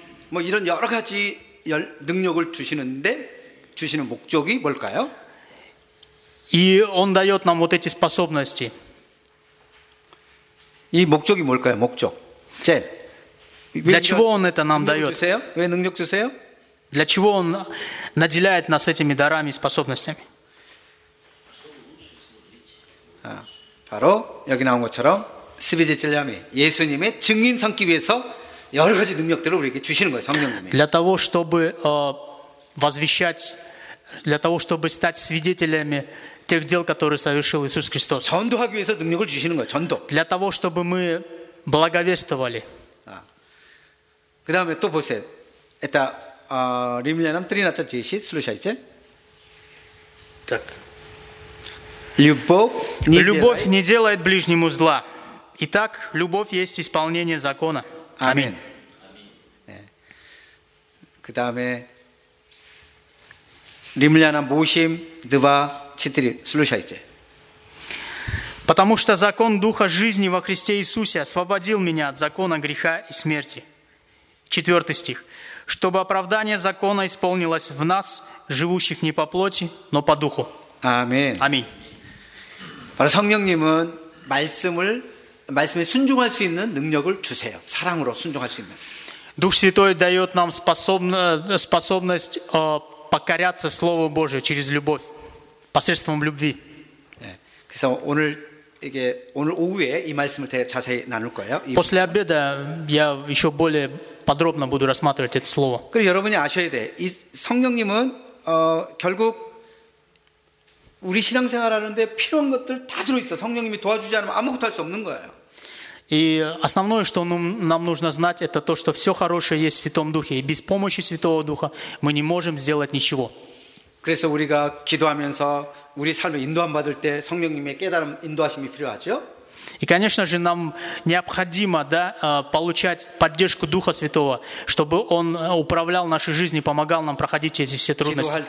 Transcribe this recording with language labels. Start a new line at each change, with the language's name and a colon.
Korean: 뭐 이런 여러 가지 능력을 주시는데 주시는 목적이 뭘까요?
Russian: И он даёт нам вот эти способности.
Korean: 이 목적이 뭘까요? 목적. 제.
Russian: Для чего он это нам даёт?
Korean: 왜 능력 주세요?
Russian: Для чего он наделяет нас этими дарами и способностями?
Korean: 아, 바로 여기 나온 것처럼 스비제첼라미 예수님의 증인 삼기 위해서 여러 가지 능력들을 우리에게 주시는 거예요, 성령님이.
Russian: Для того, чтобы возвещать, для того, чтобы стать свидетелями тех дел, которые совершил Иисус Христос.
Korean: 전도하기 위해서 능력을 주시는 거예요, 전도.
Russian: Для того, чтобы мы благовествовали. 아.
Korean: 그다음에 또 보세요.
Russian: Это римлянам 13, 10, слушайте. Так. Любовь не делает ближнему зла. Итак, любовь есть исполнение закона. Аминь.
Korean: 그다음에
Russian: 림리아나 모심 드바 치트리 슬루샤이제. Потому что закон духа жизни во Христе Иисусе освободил меня от закона греха и смерти. 4 стих. Чтобы оправдание закона исполнилось в нас, живущих не по плоти, но по духу. Аминь. Аминь.
Korean: 성령님은 말씀에 순종할 수 있는 능력을 주세요. 사랑으로 순종할 수 있는.
Russian: Дух Святой дает нам способность покоряться Слову Божию через любовь, посредством любви.
Korean: 네, 그래서 오늘 오후에 이 말씀을 더 자세히 나눌 거예요.
Russian: После обеда я еще более подробно буду рассматривать это слово.
Korean: 그리고 여러분이 아셔야 돼. 이 성령님은 결국 우리 신앙생활 하는데 필요한 것들 다 들어있어. 성령님이 도와주지 않으면 아무것도 할 수 없는 거예요.
Russian: И основное, что нам нужно знать, это то, что все хорошее есть в Святом Духе. И без помощи Святого Духа мы не можем сделать ничего.
Korean: 그래서 우리가 기도하면서 우리 삶을 인도함 받을 때 성령님의 깨달음 인도하심이 필요하죠.
Russian: И, конечно же, нам необходимо, да, получать поддержку Духа Святого, чтобы Он управлял нашей жизнью, помогал нам проходить эти все трудности.